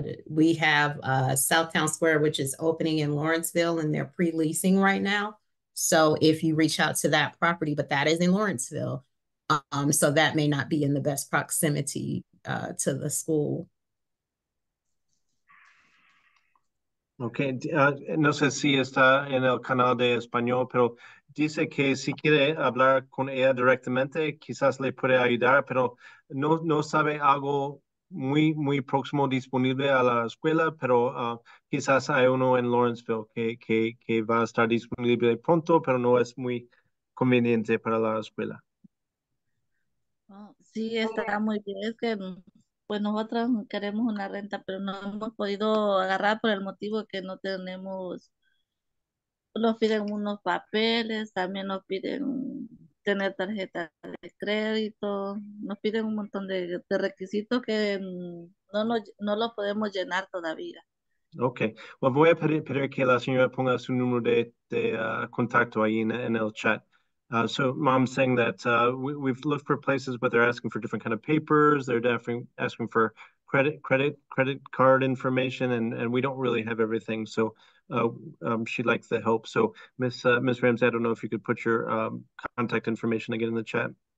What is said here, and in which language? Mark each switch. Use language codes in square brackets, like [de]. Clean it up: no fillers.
[en] We have Southtown Square, which is opening in Lawrenceville, and they're pre-leasing right now. So if you reach out to that property, but that is in Lawrenceville, so that may not be in the best proximity to the school. [es] Okay, no sé si está en el canal de español, pero dice que si quiere hablar con ella directamente, quizás le puede ayudar, pero no sabe algo muy, muy próximo disponible a la escuela, pero quizás hay uno en Lawrenceville que va a estar disponible pronto, pero no es muy conveniente para la escuela. Sí, está muy bien. Es que pues nosotros queremos una renta, pero no hemos podido agarrar por el motivo que no tenemos. Nos piden unos papeles, también nos piden tener tarjeta de crédito, nos piden un montón de requisitos que no lo podemos llenar todavía. [en] Okay, well, [es] voy a pedir que la señora ponga su número de contacto ahí en el chat. [en] So mom's saying that we've looked for places, but they're asking for different kind of papers. They're definitely asking for credit card information, and we don't really have everything. So she'd like the help. So Ms. Ramsey, I don't know if you could put your contact information again in the chat.